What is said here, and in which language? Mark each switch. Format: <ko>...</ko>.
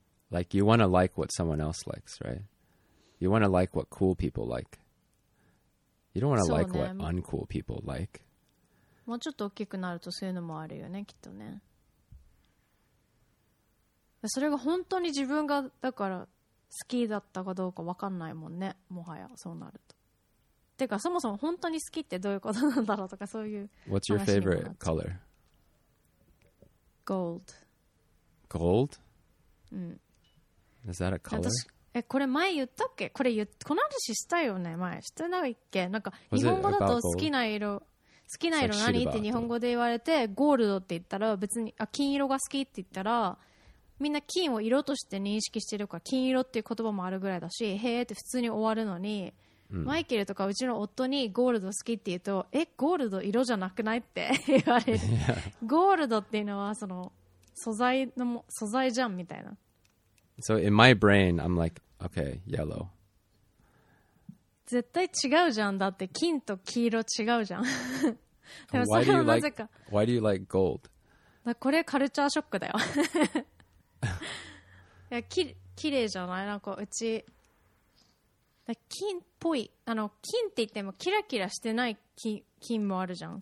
<en>Like you want to like what someone else likes, right? You want to like what cool people like. You don't want to like what uncool people like.</en> <ja>もうちょっと大きくなるとそういうのもあるよね、きっとね。それが本当に自分がだから好きだったかどうかわかんないもんね、もはやそうなると。てかそもそも本当に好きってどういうことなんだろうとかそういう。</ja> <en>What's your favorite color? Gold. Gold?</en> <ja>うん。</ja> <en>Is that a color?</en> <ja>これ前言ったっけ？これ言っこの話したよね前。してないっけ？なんか日本語だと好きな色、好きな色何って日本語で言われてゴールドって言ったら別にあ金色が好きって言ったらみんな金を色として認識してるから金色っていう言葉もあるぐらいだし、へーって普通に終わるのに。マイケルとかうちの夫にゴールド好きって言うと、え、ゴールド色じゃなくないって言われる。</ja> <en>Yeah.</en> <ja>ゴールドっていうのはその素材のも素材じゃんみたいな。</ja> <en>So in my brain, I'm like, okay, yellow.</en> <ja>絶対違うじゃん。だって金と黄色違うじゃん。でもそれはなぜか。 Why do you like gold? だこれカルチャーショックだよ。いや、きれいじゃない？なんかうち。金っぽいあの金って言ってもキラキラしてない 金もあるじゃん。</ja>